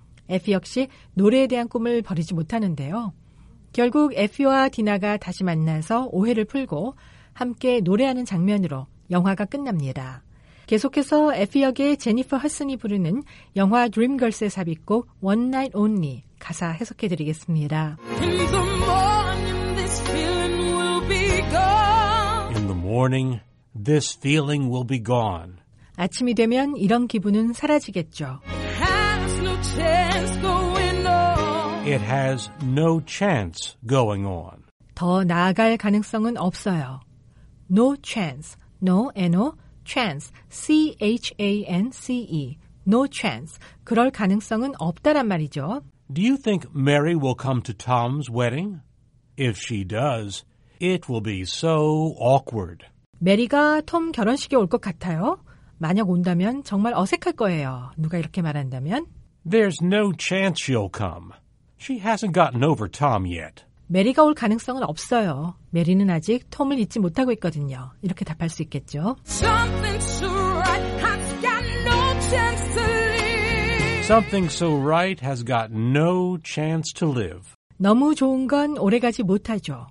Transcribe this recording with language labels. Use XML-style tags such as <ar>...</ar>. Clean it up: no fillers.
<ko>에피 역시 노래에 대한 꿈을 버리지 못하는데요. 결국 에피와 디나가 다시 만나서 오해를 풀고 함께 노래하는 장면으로 영화가 끝납니다. 계속해서 에피 역의 제니퍼 허슨이 부르는 영화 드림걸스의 삽입곡 One Night Only 가사 해석해드리겠습니다.</ko> <en>In the morning this feeling will be gone. In the morning this feeling will be gone.</en> <ko>아침이 되면 이런 기분은 사라지겠죠.</ko> <en>Has no chance going on. It has no chance going on.</en> <ko>더 나아갈 가능성은 없어요.</ko> <en>No chance. No, N-O, chance. C-H-A-N-C-E. No chance.</en> <ko>그럴 가능성은 없다란 말이죠.</ko> <en>Do you think Mary will come to Tom's wedding? If she does, it will be so awkward.</en> <ko>메리가 톰 결혼식에 올 것 같아요. 만약 온다면 정말 어색할 거예요. 누가 이렇게 말한다면?</ko> <en>There's no chance she'll come. She hasn't gotten over Tom yet.</en> <ko>메리가 올 가능성은 없어요. 메리는 아직 톰을 잊지 못하고 있거든요. 이렇게 답할 수 있겠죠.</ko> <en>Something's so right has got no chance to live. Something so right has got no chance to live.</en> <ko>너무 좋은 건 오래가지 못하죠.</ko>